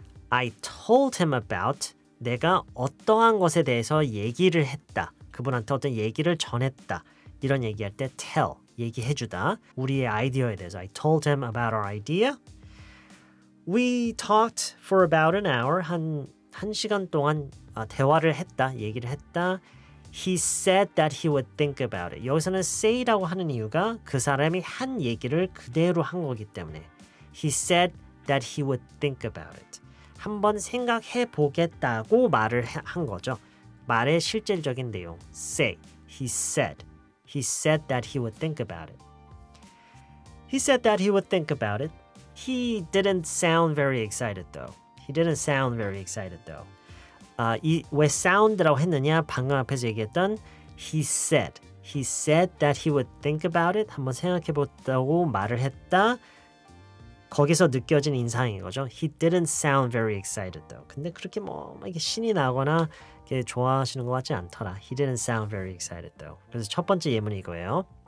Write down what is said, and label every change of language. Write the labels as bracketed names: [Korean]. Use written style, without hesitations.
[English] I told him about [Korean] 내가 어떠한 것에 대해서 얘기를 했다. 그분한테 어떤 얘기를 전했다. 이런 얘기할 때 tell, 얘기해주다. 우리의 아이디어에 대해서 [English] I told him about our idea. We talked for about an hour. [Korean] 한 시간 동안 대화를 했다, 얘기를 했다. [English] He said that he would think about it. [Korean] 여기서는 say라고 하는 이유가 그 사람이 한 얘기를 그대로 한 거기 때문에 [English] He said that he would think about it. [Korean] 한번 생각해 보겠다고 말을 한 거죠. 말의 실질적인 내용 say, he said. [English] He said that he would think about it. He said that he would think about it. He didn't sound very excited, though. He didn't sound very excited, though. [Korean] 왜 sound라고 했느냐? 방금 앞에서 얘기했던 [English] he said. He said that he would think about it. [Korean] 한번 생각해보다고 말을 했다. 거기서 느껴진 인상인 거죠. [English] He didn't sound very excited, though. [Korean] 근데 그렇게 뭐 이게 신이 나거나 이렇게 좋아하시는 것 같지 않더라. [English] He didn't sound very excited, though. [Korean] 그래서 첫 번째 예문이 이거예요.